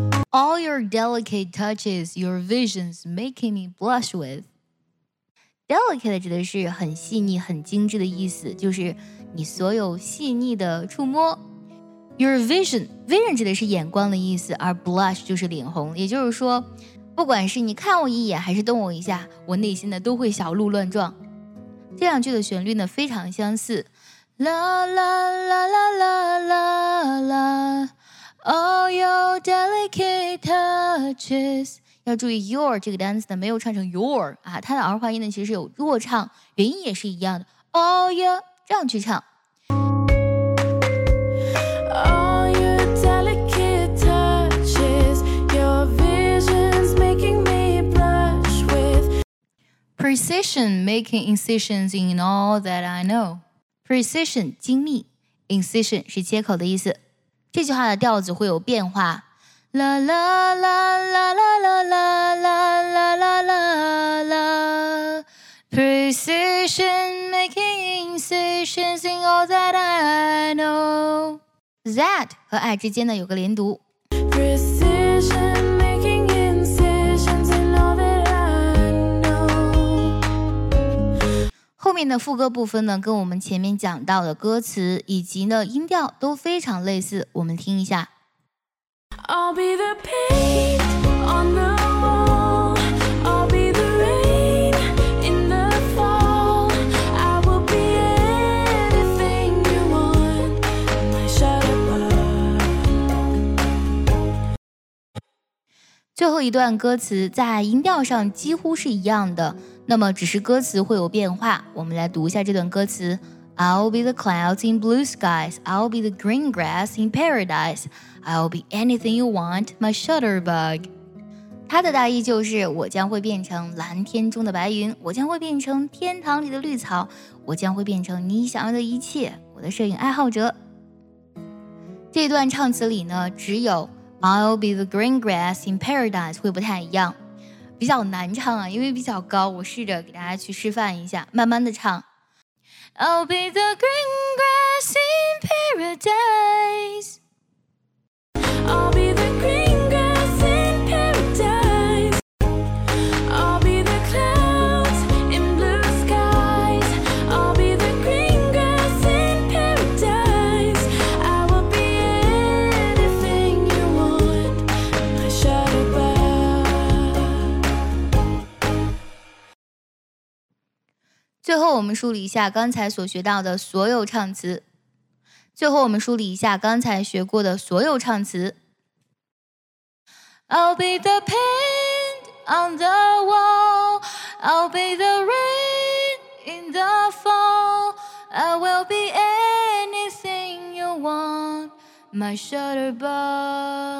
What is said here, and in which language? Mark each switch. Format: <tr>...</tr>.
<en>All your delicate touches, your visions making me blush with.</en> <zh>Delicate 指的是很细腻、很精致的意思，就是你所有细腻的触摸。</zh> <en>Your vision,</en> <zh>vision 指的是眼光的意思，而 blush 就是脸红。也就是说，不管是你看我一眼，还是动我一下，我内心的都会小鹿乱撞。这两句的旋律呢，非常相似。 La la la la la la la.</zh> <en>All your delicate touches</en> <zh>要注意 your 这个单词呢没有唱成 your 啊，它的儿化音呢其实有弱唱元音也是一样的</zh> <en>All your</en> <zh>这样去唱</zh> <en>All your delicate touches Your visions making me blush with Precision making incisions in all that I know</en> <zh>Precision 精密 Incision 是切口的意思这句话的调子会有变化</zh> <en>啦啦啦啦啦啦啦啦啦啦啦啦 Precision making incisions in all that I know</en> <zh>That 和 I 之间呢有个连读</zh> <en>Precision making incisions in all that I know</en> <zh>后面的副歌部分呢跟我们前面讲到的歌词以及呢音调都非常类似我们听一下</zh> <en>I'll be the paint on the wall I'll be the rain in the fall I will be anything you want My shutterbug</en> <zh>最后一段歌词在音调上几乎是一样的，那么只是歌词会有变化。我们来读一下这段歌词。</zh> <en>I'll be the clouds in blue skies, I'll be the green grass in paradise, I'll be anything you want, my shutterbug.</en> <zh>它的大意就是我将会变成蓝天中的白云，我将会变成天堂里的绿草，我将会变成你想要的一切，我的摄影爱好者。这段唱词里呢，只有</zh> <en>I'll be the green grass in paradise</en> <zh>会不太一样，比较难唱啊，因为比较高，我试着给大家去示范一下，慢慢的唱。</zh> <en>I'll be the green grass in paradise. I'll be the green grass in paradise. I'll be the clouds in blue skies. I'll be the green grass in paradise. I will be anything you want, my shutterbug.</en> <zh>最后我们梳理一下刚才所学到的所有唱词。最后我们梳理一下刚才学过的所有唱词。</zh> <en>I'll be the paint on the wall, I'll be the rain in the fall, I will be anything you want, my shutterbug.</en>